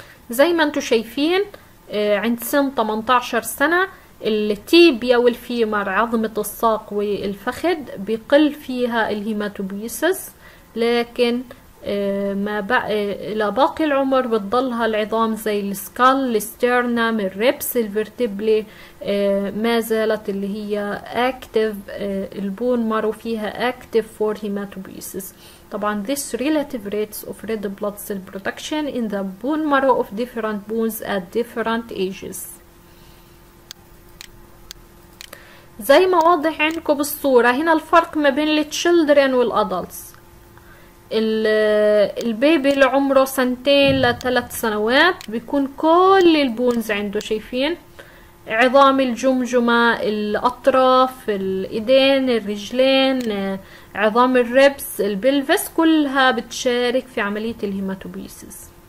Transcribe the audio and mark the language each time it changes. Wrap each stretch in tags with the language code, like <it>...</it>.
<ar>زي ما انتم شايفين عند سن 18 سنة التيبيا والفيمر عظمة الساق والفخذ بيقل فيها الهيماتوبيسس، لكن ما بقى لباقي العمر بتضلها العظام زي السكال الستيرنام الريبس الفيرتيبلي ما زالت اللي هي اكتف، البون مارو فيها اكتف فور هيماتوبيسس. طبعا</ar> <en>this relative rates of red blood cell production in the bone marrow of different bones at different ages.</en> <ar>زي ما واضح عندكم بالصورة هنا الفرق ما بين الـ children والـ adults. البيبي اللي عمره سنتين لثلاث سنوات بيكون كل البونز عنده، شايفين عظام الجمجمة، الأطراف، الإيدين، الرجلين، عظام الريبس، البلفس، كلها بتشارك في عملية الهيماتوبيسيس.</ar>